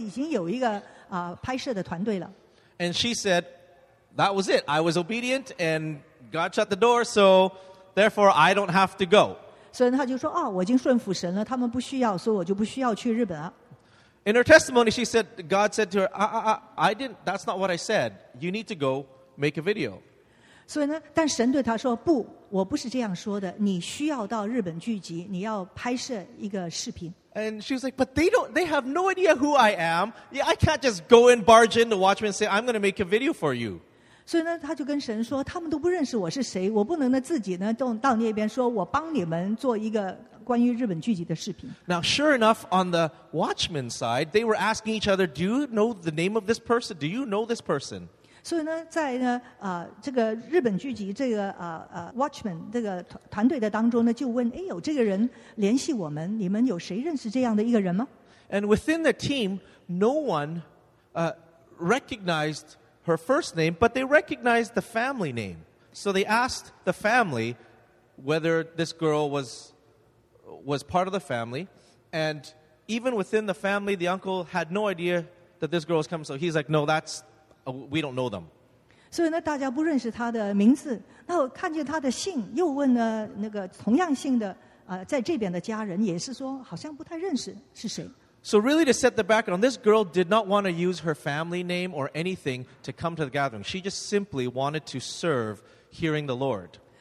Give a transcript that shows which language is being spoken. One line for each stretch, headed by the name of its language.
Chinese: 然后他收到的回应就是说，不需要了，我们已经有一个拍摄的团队了。And
English: she said, "That was it. I was obedient, and God shut the door, so therefore I don't have to go."
Chinese: 所以他就说，哦，我已经顺服神了，他们不需要，所以我就不需要去日本了。In
English: her testimony, she said, "God said to her, I didn't. That's not what I said. You need to go make a video."
Chinese: 所以呢，但神对他说，不，我不是这样说的。你需要到日本聚集，你要拍摄一个视频。
English: And she was like, "But they don't, they have no idea who I am. Yeah, I can't just go and barge in the Watchman and say, 'I'm going to make a video for you.'"
Chinese: 所以呢，他就跟神说，他们都不认识我是谁，我不能呢自己呢到那边说我帮你们做一个关于日本聚集的视频。
English: Now, sure enough, on the Watchman side, they were asking each other, "Do you know the name of this person? Do you know this person?"
Chinese: 所以呢，在呢，这个日本聚集这个Watchman这个团队的当中呢，就问：“哎，有这个人联系我们，你们有谁认识这样的一个人吗？”
English: And within the team, no one recognized her first name, but they recognized the family name. So they asked the family whether this girl was part of the family. And even within the family, the uncle had no idea that this girl was coming. So he's like, no, that's, we don't know them.
Chinese: 所以呢，大家不认识她的名字。那我看见她的姓，又问了那个同样姓的，在这边的家人，也是说好像不太认识是谁。So
English: really, to set the background, this girl did not want to use her family name or anything to come to the gathering. She just simply wanted to serve hearing the Lord.